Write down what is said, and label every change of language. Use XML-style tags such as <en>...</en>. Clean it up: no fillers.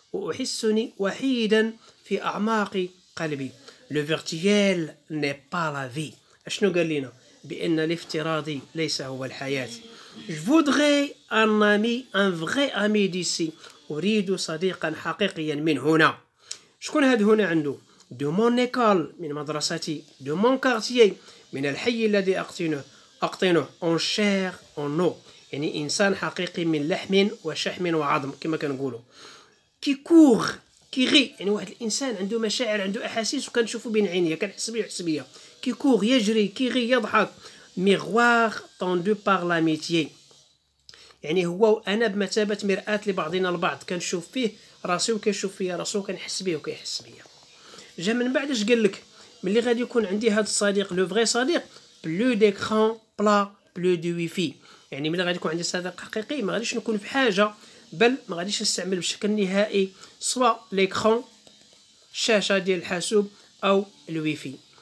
<ar>أحسني وحيدا في أعماق قلبي، لو فيرتويال ني با لا في، أشنو قال لنا؟ بأن الافتراضي ليس هو الحياة.</ar> <fr>Je voudrais un ami, un vrai ami d'ici.</fr> <ar>أريد صديقا حقيقيا من هنا. شكون هاد هنا عنده؟</ar> <fr>De mon école,</fr> <ar>من مدرستي.</ar> <fr>De mon quartier,</fr> <ar>من الحي الذي أقطنه.</ar> <fr>En chair, en eau.</fr> <ar>يعني إنسان حقيقي من لحم وشحم وعظم كما كنقولوا.</ar> <fr>Qui court, qui rit.</fr> <ar>يعني واحد الإنسان عنده مشاعر، عنده أحاسيس وكنشوفو بين عينيه، كنحس بيه ويحس بيا.</ar> <fr>Qui court, يجري, qui rit, يضحك.</fr> <ar>ميغوار طوندو باغ لاميتيي، يعني هو وأنا بمثابة مرآة لبعضنا البعض، كنشوف فيه راسي وكيشوف فيا راسو، كنحس بيه وكيحس بيا. جا من بعد اش قالك؟ ملي غادي يكون عندي هاد الصديق لو فغي صديق، بلو ديكخون بلا بلو دو ويفي، يعني ملي غادي يكون عندي صديق حقيقي ما غاديش نكون في حاجة، بل ما غاديش نستعمل بشكل نهائي سوا ليكخون الشاشة ديال الحاسوب أو الويفي.</ar>